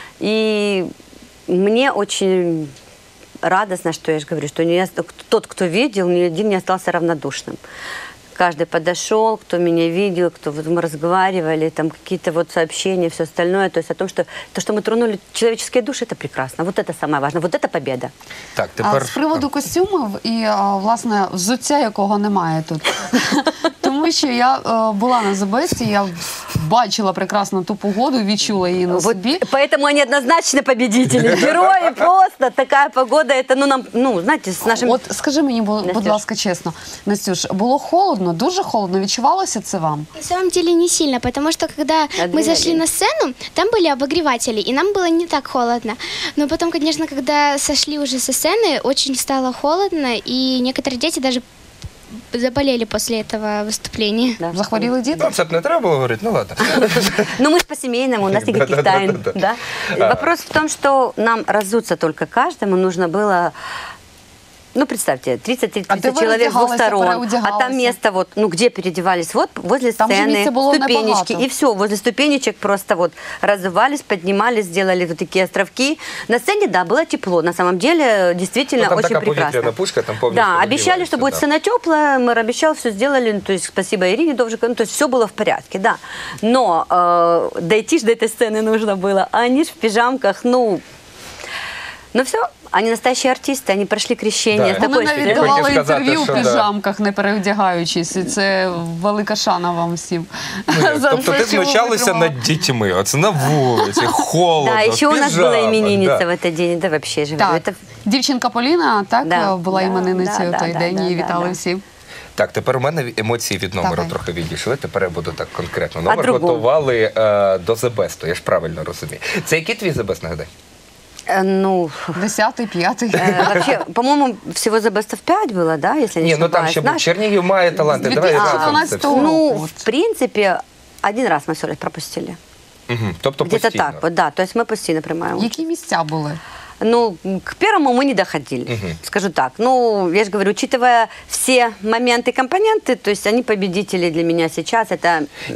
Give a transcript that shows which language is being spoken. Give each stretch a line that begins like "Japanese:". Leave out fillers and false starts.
Russian: И мне очень радостно, что я же говорю, что тот, кто видел, ни один не остался равнодушным. Каждый подошел, кто меня видел, кто вот мы разговаривали, там какие-то вот сообщения, все остальное. То есть о том, что то, что мы тронули человеческие души, это прекрасно. Вот это самое важное. Вот это победа.
Ukrainian: Так, тепер... А с приводу костюмов и, власне, взуття, якого немає тут. Тому що я була на забесті, я бачила прекрасно ту погоду, відчула її на собі.
Russian: Поэтому они однозначно победители.
Ukrainian: Герої просто. Така погода,
Russian: это, ну, нам, ну, знаете, с нашим...
Ukrainian: От скажи мені, будь ласка, чесно, Настюш, було холодно? Холодно, дуже холодно. Відчувалося це вам?
Russian: На самом деле не сильно, потому что когда мы зашли на сцену, там были обогреватели, и нам было не так холодно. Но потом, конечно, когда сошли уже со сцены, очень стало холодно, и некоторые дети даже заболели после этого выступления.
Ukrainian: Да. Захворіли діти? Ну, це б не треба було говорити, ну ладно. Ну ми ж по-сімейному,
Russian: у нас никаких тайн. Вопрос в том, что нам разуться только каждому нужно было... Ну, представьте, 30-30 человек двух сторон, а там место вот, ну, где переодевались, вот возле сцены, ступенечки,
Ukrainian: небагато.
Russian: И все, возле ступенечек просто вот разувались, поднимались, сделали вот такие островки. На сцене, да, было тепло, на самом деле, действительно, ну, там очень такая прекрасно. Там пушка, там помню, да, обещали, что будет сцена теплая, мэр обещал, все сделали, ну, то есть спасибо Ирине Довжико, ну, то есть все было в порядке, да. Но дойти же до этой сцены нужно было, а они же в пижамках, ну, ну все. Они настоящие артисты, они прошли крещение.
Ukrainian: Да, мы навіть давали інтерв'ю в пижамках, не переодягаючись. Це велика шана вам всім. Тобто ти знущалися над дітьми, оце на вулиці, холодно, пижама.
Russian: Да, еще у нас была именинница в этот день, да, вообще же.
Ukrainian: Так, дівчинка Поліна, так, була іменинниця в той день, і вітали всім. Так, тепер у мене емоції від номера трохи відійшли, тепер я буду так конкретно. Номер готували до The Best, я ж правильно розумію. Це який твій The Best, нагадай? Ну, 10-й, 5-й.
Russian: Вообще, по-моему, всего The Best of 5 было, да, если не ошибаюсь.
Ukrainian: Ну там ще був Чернігів має таланти. Давай ну, в принципі, один раз ми все раз пропустили. Угу. Тобто
Russian: постійно. Где-то так, вот, да. То есть мы
Ukrainian: постійно приймаємо. Які місця були?
Russian: Ну, к первому мы не доходили, скажу так. Ну, я же говорю, учитывая все моменты и компоненты, то есть они победители для меня сейчас, это однозначно.